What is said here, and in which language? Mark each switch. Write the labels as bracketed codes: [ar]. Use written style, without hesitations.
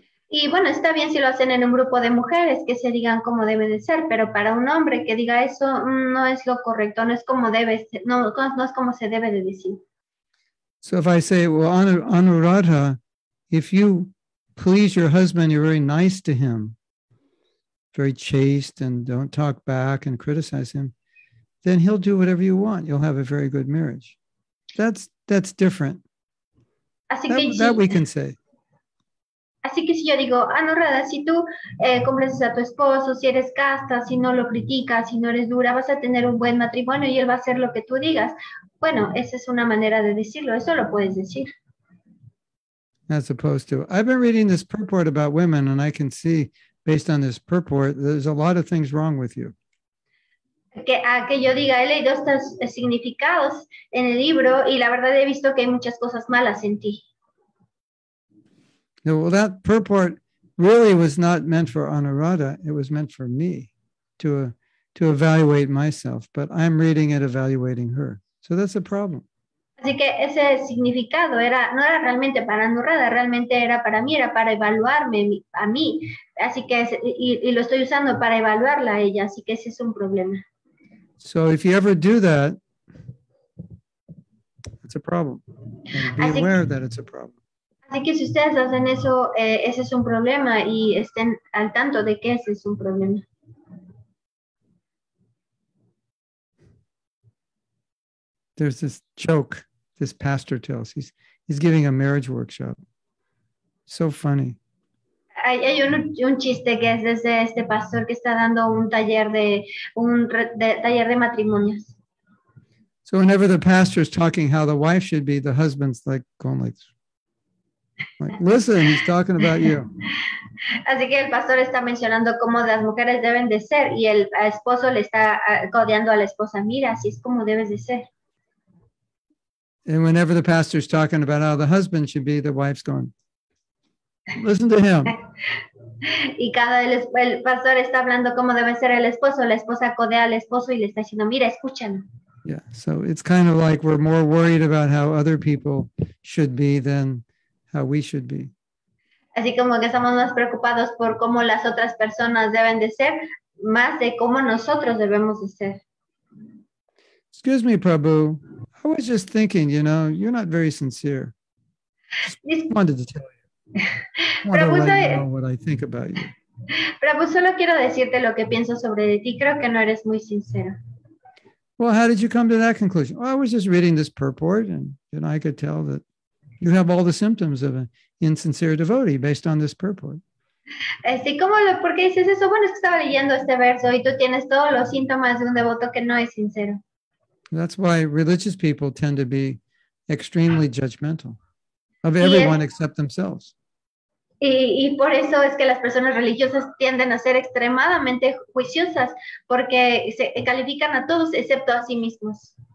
[es] Y bueno, está bien si lo hacen en un grupo de mujeres que se digan cómo debe de ser, pero para un hombre que diga eso no es lo correcto, no es como se debe de decir. [en] So if I say, well, Anuradha, if you please your husband, you're very nice to him, very chaste and don't talk back and criticize him, then he'll do whatever you want. You'll have a very good marriage. That's different. That we can say. [es] Así que si yo digo, Anuradha, si tú complaces a tu esposo, si eres casta, si no lo criticas, si no eres dura, vas a tener un buen matrimonio y él va a hacer lo que tú digas. Bueno, esa es una manera de decirlo, eso lo puedes decir. [en] As opposed to, I've been reading this purport about women and I can see, based on this purport, there's a lot of things wrong with you. [es] Que yo diga, he leído estos significados en el libro y la verdad he visto que hay muchas cosas malas en ti. [en] No, well, that purport really was not meant for Anuradha. It was meant for me to evaluate myself. But I'm reading it evaluating her. So that's a problem. [es] Así que ese significado no era realmente para Anuradha. Realmente era para mí, era para evaluarme a mí. Así que y lo estoy usando para evaluarla a ella. Así que ese es un problema. [en] So if you ever do that, it's a problem. And be aware that it's a problem. [es] Así que si ustedes hacen eso, ese es un problema y estén al tanto de que ese es un problema. [en] There's this joke this pastor tells. He's giving a marriage workshop. So funny. [es] Hay un chiste que es desde este pastor que está dando un taller de matrimonios. [en] So whenever the pastor is talking how the wife should be, the husband's like going like this. Like, listen, he's talking about you. [es] Así que el pastor está mencionando cómo las mujeres deben de ser y el esposo le está codeando a la esposa. Mira, así es como debes de ser. [en] And whenever the pastor is talking about how the husband should be, the wife's going, listen to him. [es] Y cada el pastor está hablando cómo debe ser el esposo, la esposa codea al esposo y le está diciendo, mira, escúchalo. [en] Yeah, so it's kind of like we're more worried about how other people should be than how we should be. [es] Así como que estamos más preocupados por cómo las otras personas deben de ser, más de cómo nosotros debemos de ser. [en] Excuse me, Prabhu. I was just thinking, you know, you're not very sincere. Just wanted to tell you. [es] Prabhu, solo quiero decirte lo que pienso sobre ti. Creo que no eres muy sincero. [en] Well, how did you come to that conclusion? Well, I was just reading this purport and I could tell that you have all the symptoms of an insincere devotee based on this purport. [es] Sí, ¿cómo lo? ¿Por qué dices eso? Bueno, es que estaba leyendo este verso y tú tienes todos los síntomas de un devoto que no es sincero. [en] That's why religious people tend to be extremely judgmental of everyone except themselves. [es] Y por eso es que las personas religiosas tienden a ser extremadamente juiciosas porque se califican a todos excepto a sí mismos.